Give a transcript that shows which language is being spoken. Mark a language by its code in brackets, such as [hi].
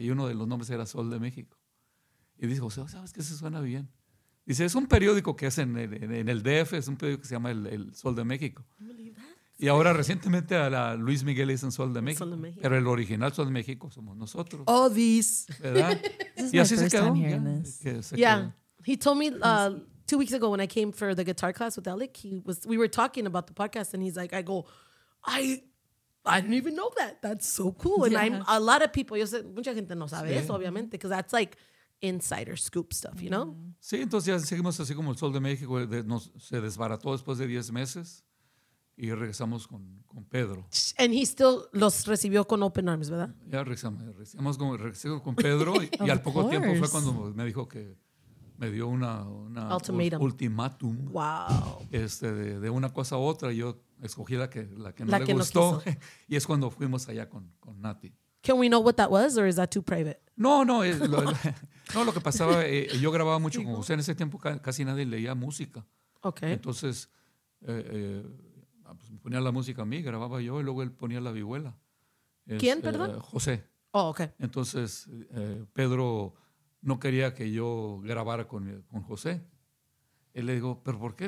[es] Y uno de los nombres era Sol de México. Y dice, José, ¿sabes qué? Se suena bien. Dice, es un periódico que es en el DF, es un periódico que se llama el Sol de México. Y ahora recientemente a la Luis Miguel dicen Sol de México. Pero el original Sol de México somos nosotros. [en] All these. [es] ¿Verdad? Y así se quedó. [en] Yeah. He told me 2 weeks ago when I came for the guitar class with Alec, we were talking about the podcast and he's like, I didn't even know that. That's so cool. And yeah. I'm a lot of people, [es] yo sé, mucha gente no sabe eso, obviamente, [en] because that's like insider scoop stuff, you know? [es] Sí, entonces ya seguimos así como el Sol de México se desbarató después de 10 meses y regresamos con Pedro. [en] And he still [es] los recibió con [en] open arms, [es] ¿verdad? Ya regresamos con Pedro y al poco tiempo fue cuando me dijo que me dio una ultimátum. [en] Wow. [es] De una cosa a otra, yo escogí la que le gustó. Y es cuando fuimos allá con Nati. [en] Can we know what that was or is that too private? [es] No, lo que pasaba, yo grababa mucho con José. En ese tiempo casi nadie leía música. [en] Okay. [es] Entonces, pues ponía la música a mí, grababa yo y luego él ponía la vihuela. ¿Quién, perdón? José. [en] Oh, okay. [es] Entonces, Pedro no quería que yo grabara con José. Él le dijo, ¿pero por qué?